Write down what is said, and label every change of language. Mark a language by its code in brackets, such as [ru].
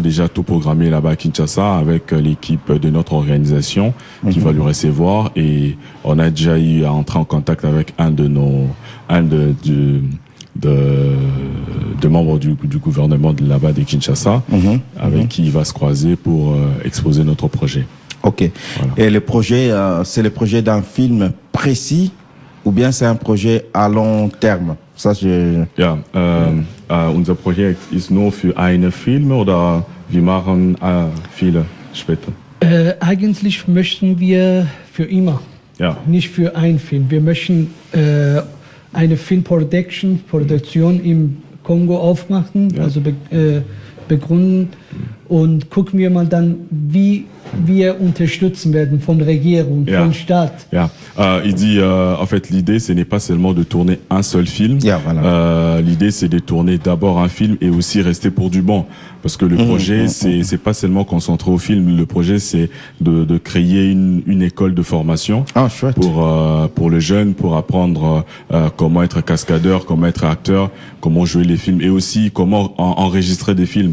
[fr] déjà tout programmé là-bas à Kinshasa avec l'équipe de notre organisation qui va lui recevoir, et on a déjà eu à entrer en contact avec un des membres du gouvernement de là-bas de Kinshasa avec qui il va se croiser pour exposer notre projet. Ok. Voilà. Et le projet, c'est le projet d'un film précis ou bien c'est un projet à long terme? Ça, c'est... [de] Unser Projekt ist nur für einen Film oder wir machen viele später? Eigentlich möchten wir für immer, nicht für einen Film. Wir möchten eine Filmproduktion im Kongo aufmachen, also begründen und gucken wir mal dann, wie wir unterstützen werden von Regierung, vom Staat. Ja. [fr] Il dit, en fait, l'idée, ce n'est pas seulement de tourner un seul film. L'idée, c'est de tourner d'abord un film et aussi rester pour du bon. Parce que le projet, c'est pas seulement concentré au film. Le projet, c'est de créer une école de formation pour les jeunes, pour apprendre comment être cascadeur, comment être acteur, comment jouer les films et aussi comment enregistrer des films.